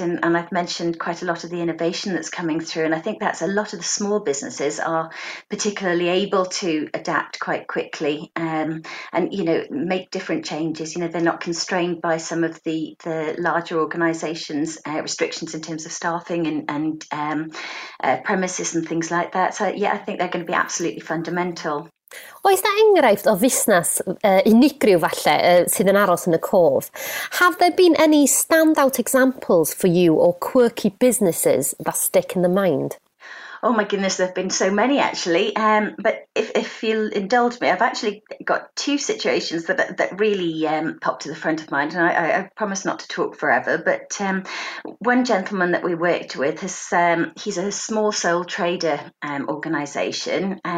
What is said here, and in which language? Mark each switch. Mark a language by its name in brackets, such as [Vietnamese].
[English] And I've mentioned quite a lot of the innovation that's coming through. And I think that's a lot of the small businesses are particularly able to adapt quite quickly and, you know, make different changes. You know, they're not constrained by some of the larger organisations' restrictions in terms of staffing and premises and things like that. So, yeah, I think they're going to be absolutely fundamental. [Welsh] Oes na enghraifft o fusnes unigryw falle sydd yn aros yn y cof? [English] Have there been any standout examples for you or quirky businesses that stick in the mind? Oh my goodness, there have been so many actually. But if you'll indulge me, I've actually got two situations that really popped to the front of mind. And I promise not to talk forever. But one gentleman that we worked with, he's a small sole trader organisation.